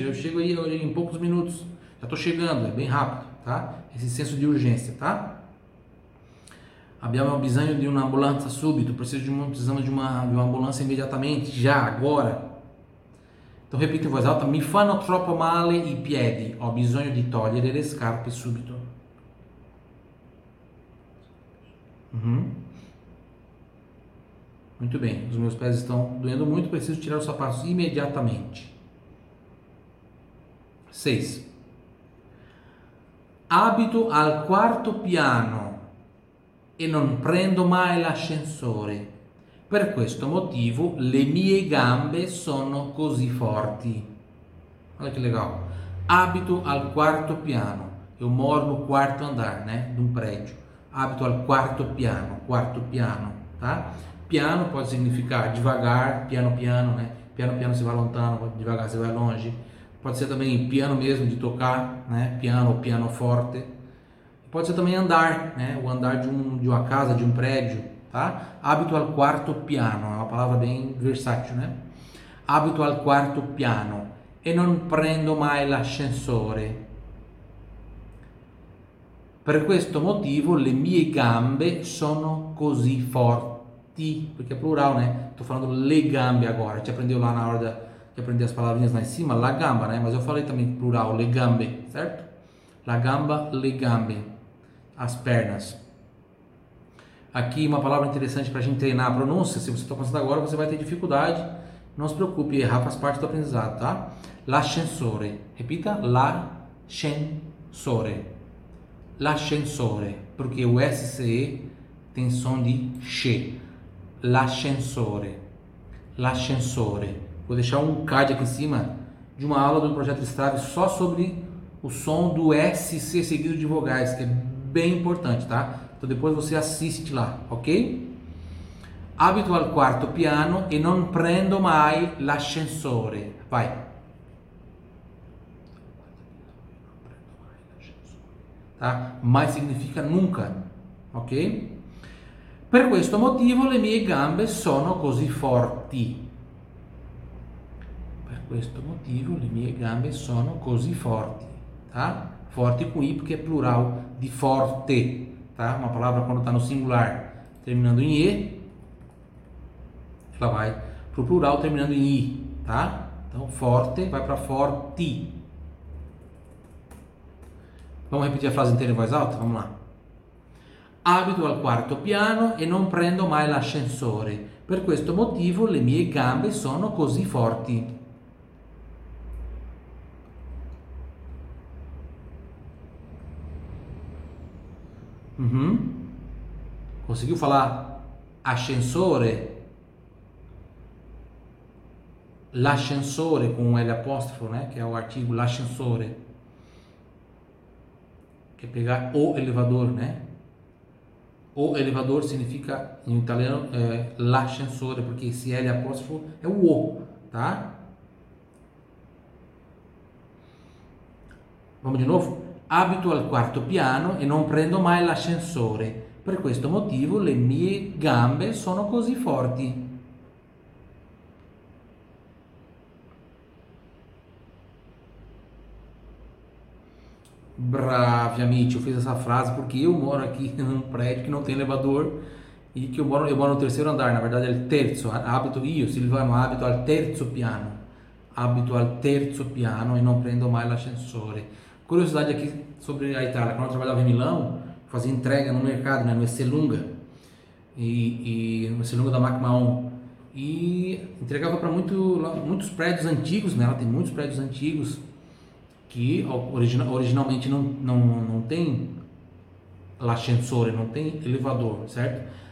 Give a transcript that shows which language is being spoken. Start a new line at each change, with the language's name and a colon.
Portuguese: Eu chego aí em poucos minutos. Já tô chegando, é bem rápido, tá? Esse senso de urgência, tá?
Italian: Abbiamo bisogno di un'ambulanza subito.
Portuguese: Preciso de uma, precisamos de uma ambulância imediatamente, já, agora. Então repita em voz alta.
Italian: Mi fanno troppo male i piedi. Ho bisogno di togliere le scarpe subito.
Portuguese: Muito bem. Os meus pés estão doendo muito. Preciso tirar os sapatos imediatamente. 6.
Italian: Abito al quarto piano. E non prendo mai l'ascensore. Per questo motivo le mie gambe sono così forti.
Portuguese: Olha que legal.
Italian: Abito al quarto piano.
Portuguese: Eu moro no quarto andar, né?
Italian: Di un prédio. Abito al quarto piano. Quarto piano, tá?
Portuguese: Piano pode significar devagar, piano, piano, né?
Italian: Piano, piano si va lontano,
Portuguese: devagar si va longe. Pode ser também piano mesmo, de tocar, né? Piano, piano forte. Pode ser também andar, né? O andar de uma casa, de um prédio, tá?
Italian: Abito al quarto piano,
Portuguese: é uma palavra bem versátil, né?
Italian: Abito al quarto piano e non prendo mai l'ascensore. Per questo motivo le mie gambe sono così forti.
Portuguese: Porque é plural, né? Tô falando
Italian: le gambe
Portuguese: agora. Te aprendeu lá na hora de aprender as palavrinhas lá em cima? La gamba, né? Mas eu falei também plural, le gambe, certo?
Italian: La gamba, le gambe.
Portuguese: As pernas. Aqui uma palavra interessante para a gente treinar a pronúncia. Se você está começando agora, você vai ter dificuldade. Não se preocupe, errar faz parte do aprendizado, tá? L'ascensore. Repita. L'ascensore. L'ascensore. Porque o SCE tem som de SH. L'ascensore. L'ascensore. Vou deixar um card aqui em cima de uma aula do Projeto Estrave só sobre o som do SC seguido de vogais, que é bem importante, tá? Então depois você assiste lá, ok?
Italian: Abito al quarto piano e non prendo mai l'ascensore. Vai. Tá?
Portuguese: Mai significa nunca, ok?
Italian: Per questo motivo le mie gambe sono così forti. Per questo motivo le mie gambe sono così forti, tá?
Portuguese: Forti com i, porque é plural de forte, tá? Uma palavra quando está no singular terminando em e, ela vai para o plural terminando em i, tá? Então forte vai para forti. Vamos repetir a frase inteira em voz alta? Vamos lá.
Italian: Abito al quarto piano e non prendo mai l'ascensore. Per questo motivo le mie gambe sono così forti.
Portuguese: Uhum. Conseguiu falar ascensore? L'ascensore com um L apóstrofo, né? Que é o artigo l'ascensore. Que é pegar o elevador, né? O elevador significa em italiano l'ascensore, porque esse L apóstrofo é o O, tá? Vamos de novo?
Italian: Abito al quarto piano e non prendo mai l'ascensore. Per questo motivo le mie gambe sono così forti. Bravi amici,
Portuguese: eu fiz essa frase porque eu moro aqui num prédio que não tem elevador e que eu moro no terceiro andar, na verdade é o terzo.
Italian: Abito io, Silvano, abito al terzo piano. Abito al terzo piano e non prendo mai l'ascensore.
Portuguese: Curiosidade aqui sobre a Itália. Quando eu trabalhava em Milão, fazia entrega no mercado, né, no Esselunga, no Esselunga da Macmahon, e entregava para muitos prédios antigos, né? Ela tem muitos prédios antigos que originalmente não tem l'ascensore, não tem elevador, certo?